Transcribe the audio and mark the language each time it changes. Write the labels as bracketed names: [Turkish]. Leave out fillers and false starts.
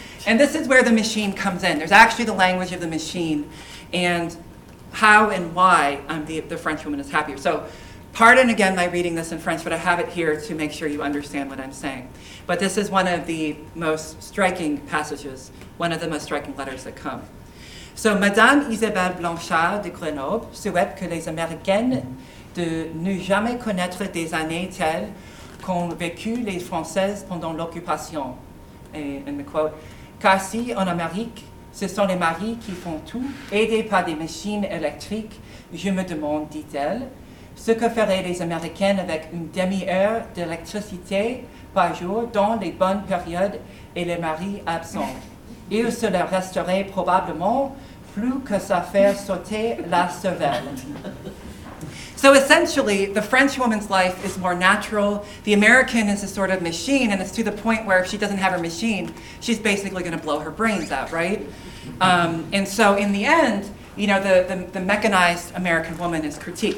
[English] And this is where the machine comes in. There's actually the language of the machine and how and why the French woman is happier. So pardon again my reading this in French, but I have it here to make sure you understand what I'm saying. But this is one of the most striking passages, one of the most striking letters that come. So, [French] Madame Isabelle Blanchard de Grenoble souhaite que les Américaines de ne jamais connaître des années telles qu'ont vécu les Françaises pendant l'occupation. [English] And the quote, [French] car si en Amérique, ce sont les maris qui font tout, aidés par des machines électriques, je me demande, dit-elle, ce que feraient les Américaines avec une demi-heure d'électricité par jour dans les bonnes périodes et les maris absents. Il se leur resterait probablement plus que ça faire sauter la cervelle. [English] So essentially, the French woman's life is more natural. The American is a sort of machine, and it's to the point where if she doesn't have her machine, she's basically going to blow her brains out, right? And so in the end, you know, the mechanized American woman is critiqued.